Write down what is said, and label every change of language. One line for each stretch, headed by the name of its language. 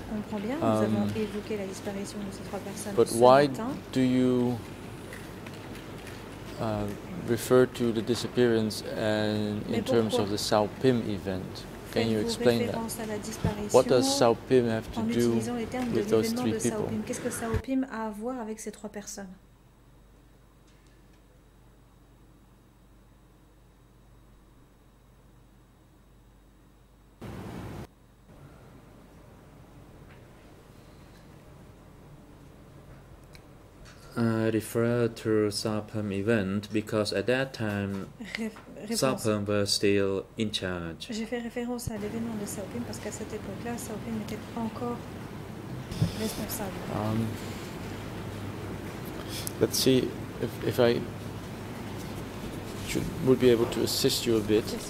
English: But why do you refer to the disappearance and in terms of the Sarpem event? Can you explain that? What does Sarpem have to do with those three people?
French: Qu'est-ce que Sarpem a à voir avec ces trois personnes?
English: I refer to Sarpem event because at that time Sarpem was still in charge.
French: J'ai fait référence à l'événement de Sarpem parce qu'à cette époque-là, Sarpem était encore responsable.
English: Let's see if I would be able to assist you a bit.